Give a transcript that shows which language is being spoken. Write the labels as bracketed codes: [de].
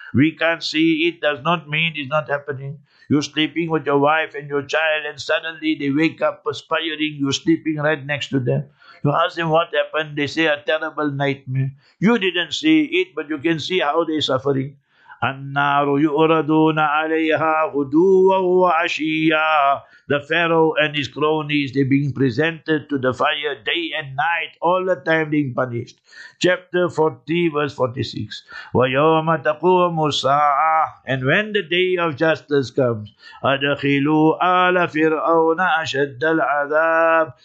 [en] We can't see it, does not mean it's not happening. You're sleeping with your wife and your child, and suddenly they wake up perspiring, you're sleeping right next to them. You ask them what happened, they say a terrible nightmare. You didn't see it, but you can see how they're suffering. [ar] النار يؤردون عليها غدوا وعشيا. [en] The Pharaoh and his cronies, they're being presented to the fire day and night, all the time being punished. Chapter 40, verse 46. [ar] وَيَوْمَ تَقُومُ السَّاعَةُ. [en] And when the day of justice comes, [ar] أَدْخِلُوا آلَ فِرْعَوْنَ أَشَدَّ الْعَذَابِ.